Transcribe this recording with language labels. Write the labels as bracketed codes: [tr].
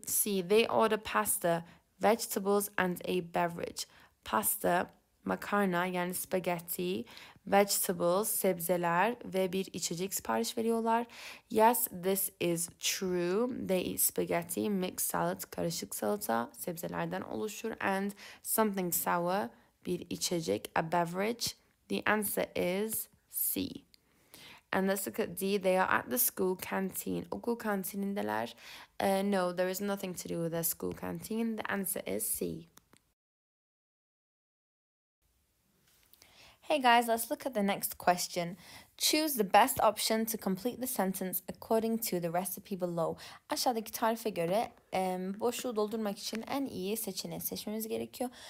[en] See, they order pasta, vegetables, and a beverage. [tr] Pasta, makarna, yani spaghetti, [en] vegetables, [tr] sebzeler ve bir içecek sipariş veriyorlar. [en] Yes, this is true. They eat spaghetti, mixed salad, [tr] karışık salata, sebzelerden oluşur. [en] And something sour, [tr] bir içecek, [en] a beverage. The answer is C. And let's look at D. [tr] They are at the school canteen. Okul kantinindeler. [en] No, there is nothing to do with their school canteen. The answer is C. Hey guys, let's look at the next question. Choose the best option to complete the sentence according to the recipe below. [tr] Aşağıdaki tarife göre boşluğu doldurmak için en iyi seçeneği seçmemiz gerekiyor.